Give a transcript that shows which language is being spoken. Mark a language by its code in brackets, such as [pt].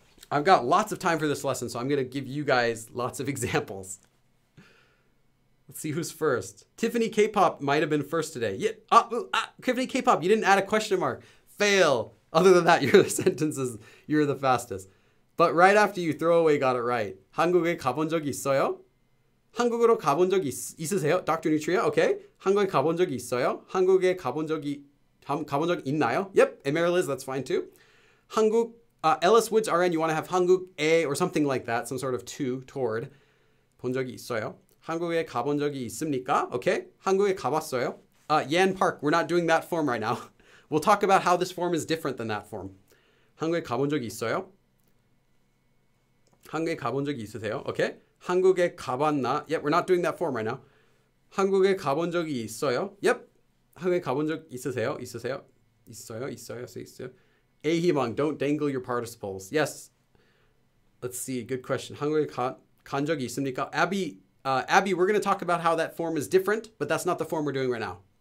[en] I've got lots of time for this lesson, so I'm gonna give you guys lots of examples. Let's see who's first. Tiffany K-pop might have been first today. Yeah, Tiffany K-pop, you didn't add a question mark. Fail. Other than that, your sentence is you're the fastest. But right after you, throwaway got it right. [ko] 한국에 가본 적 있어요? 한국으로 가본 적 있으세요? Dr. Nutria, okay. 한국에 가본 적 있어요? 한국에 가본 적 있나요? [en] Yep, Emeril, that's fine too. 한국, Ellis Woods RN, you want to have 한국에 or something like that, some sort of to, toward. [ko] 본 적이 있어요? 한국에 가본 적이 있습니까? Okay, 한국에 가봤어요? [en] Yan Park, we're not doing that form right now. We'll talk about how this form is different than that form. [ko] 한국에 가본 적 있어요? 한국에 가본 적 있으세요? Okay. 한국에 가봤나? [en] Yep, we're not doing that form right now. [ko] 한국에 가본 적이 있어요? [en] Yep. [ko] 한국에 가본 적 있으세요? 있으세요? 있어요? 있어요? 있어요? [en] 에희망, don't dangle your participles. Yes. Let's see. Good question. [ko] 한국에 간 적이 있습니까? [en] Abby, we're going to talk about how that form is different, but that's not the form we're doing right now.